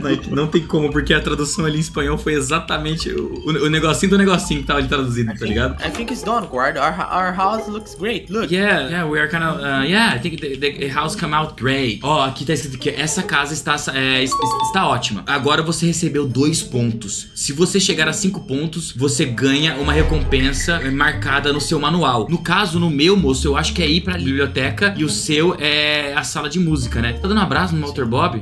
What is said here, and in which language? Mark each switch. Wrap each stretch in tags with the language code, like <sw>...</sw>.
<pt>Não tem como, porque a tradução ali em espanhol foi exatamente o negocinho do negocinho que tava ali traduzido, tá ligado?</pt> <en>I think it's done, guard. Our house looks great, look. Yeah, we are kind of, yeah, I think the house come out great.</en> <pt>Oh, aqui tá escrito que essa casa está ótima. Agora você recebeu 2 pontos. Se você chegar a 5 pontos, você ganha uma recompensa marcada no seu manual. No caso, no meu, moço, eu acho que é ir pra biblioteca e o seu é a sala de música, né? Tá dando um abraço no Walter Bob?</pt>